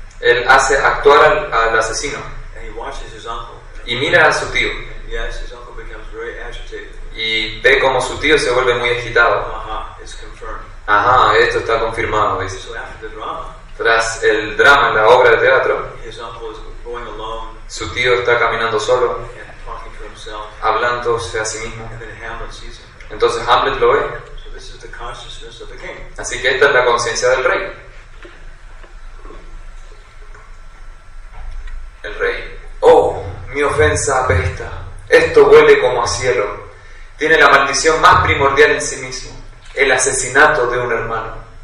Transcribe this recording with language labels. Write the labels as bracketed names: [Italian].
[Spanish] Él hace actuar al asesino. [English] And he watches his uncle. [Spanish] Y mira a su tío. [English] Yes, his uncle becomes very agitated. [Spanish] Y ve como su tío se vuelve muy agitado. [English] It's confirmed. [Spanish] Ajá, esto está confirmado. [English] So after the drama, [Spanish] tras el drama, la obra de teatro, [English] his uncle is going alone, [Spanish] su tío está caminando solo. [English] Himself. [Spanish] Hablándose a sí mismo. [English] And then Hamlet sees him. [Spanish] Entonces Hamlet lo ve. [English] So this is the consciousness of the king. [Spanish] Así que esta es la conciencia del rey. El rey. Oh, mi ofensa apesta. Esto huele como a cielo. Tiene la maldición más primordial en sí mismo: el asesinato de un hermano.